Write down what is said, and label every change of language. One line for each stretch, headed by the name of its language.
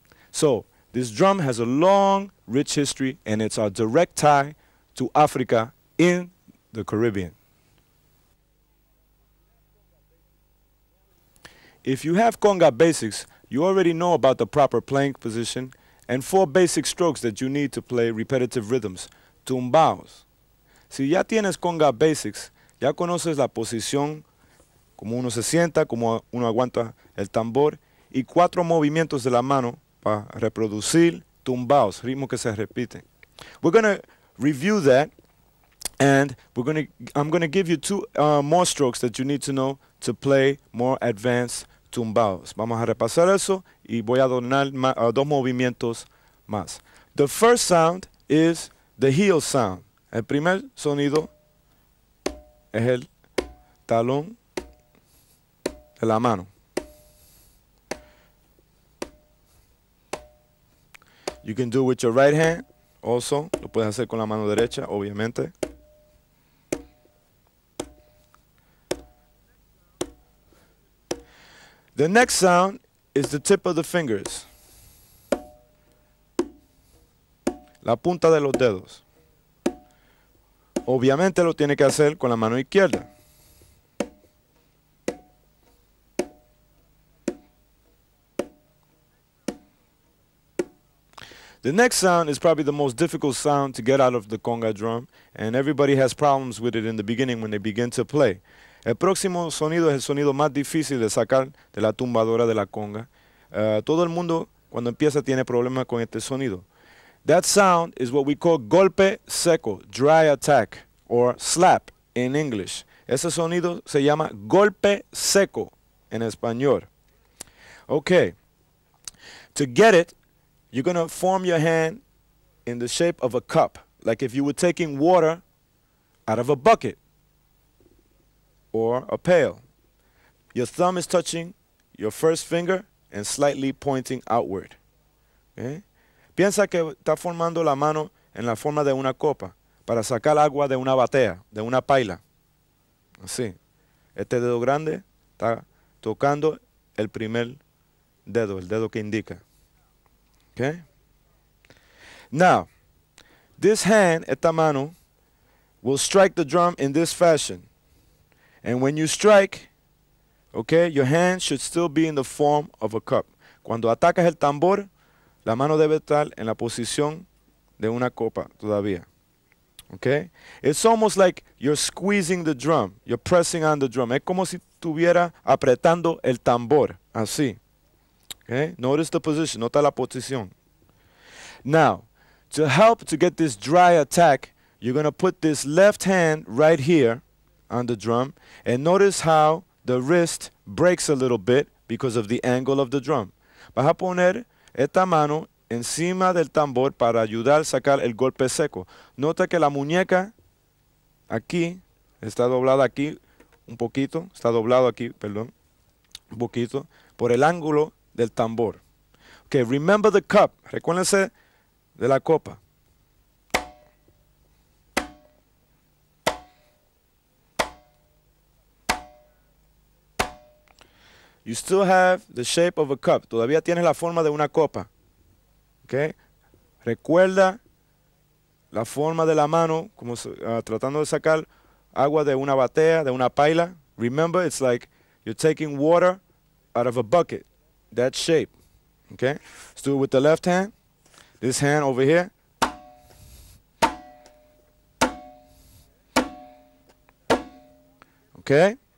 English: So this drum has a long, rich history, and it's our direct tie to Africa in the Caribbean. If you have conga basics, you already know about the proper playing position and four basic strokes that you need to play repetitive rhythms, tumbaos.
Spanish: Si ya tienes conga basics, ya conoces la posición, como uno se sienta, como uno aguanta el tambor, y cuatro movimientos de la mano para reproducir tumbaos, ritmo que se repite.
English: We're going to review that, and I'm going to give you two more strokes that you need to know to play more advanced tumbaos.
Spanish: Vamos a repasar eso y voy a donar dos movimientos más.
English: The first sound is the heel sound.
Spanish: El primer sonido es el talón de la mano.
English: You can do it with your right hand also.
Spanish: Lo puedes hacer con la mano derecha, obviamente.
English: The next sound is the tip of the fingers.
Spanish: La punta de los dedos. Obviamente lo tiene que hacer con la mano izquierda.
English: The next sound is probably the most difficult sound to get out of the conga drum, and everybody has problems with it in the beginning when they begin to play.
Spanish: El próximo sonido es el sonido más difícil de sacar de la tumbadora de la conga. Todo el mundo cuando empieza tiene problemas con este sonido.
English: That sound is what we call golpe seco, dry attack, or slap in English.
Spanish: Ese sonido se llama golpe seco en español.
English: Okay, to get it, you're going to form your hand in the shape of a cup, like if you were taking water out of a bucket or a pail. Your thumb is touching your first finger and slightly pointing outward. Okay?
Spanish: Piensa que está formando la mano en la forma de una copa para sacar agua de una batea, de una paila. Así. Este dedo grande está tocando el primer dedo, el dedo que indica.
English: Okay? Now, this hand,
Spanish: esta mano,
English: will strike the drum in this fashion. And when you strike, okay, your hand should still be in the form of a cup.
Spanish: Cuando atacas el tambor, la mano debe estar en la posición de una copa todavía.
English: Okay? It's almost like you're squeezing the drum. You're pressing on the drum.
Spanish: Es como si estuviera apretando el tambor, así.
English: Okay? Notice the position.
Spanish: Nota la posición.
English: Now, to help to get this dry attack, you're going to put this left hand right here on the drum, and notice how the wrist breaks a little bit because of the angle of the drum.
Spanish: Vas a poner esta mano encima del tambor para ayudar a sacar el golpe seco. Nota que la muñeca aquí está doblada aquí un poquito, está doblado aquí, perdón, un poquito, por el ángulo del tambor.
English: Okay, remember the cup.
Spanish: Recuérdense de la copa.
English: You still have the shape of a cup.
Spanish: Todavía tienes la forma de una copa. Okay? Recuerda la forma de la mano como tratando de sacar agua de una batea, de una paila.
English: Remember, it's like you're taking water out of a bucket. That shape. Okay? Let's do it with the left hand. This hand over here. Okay?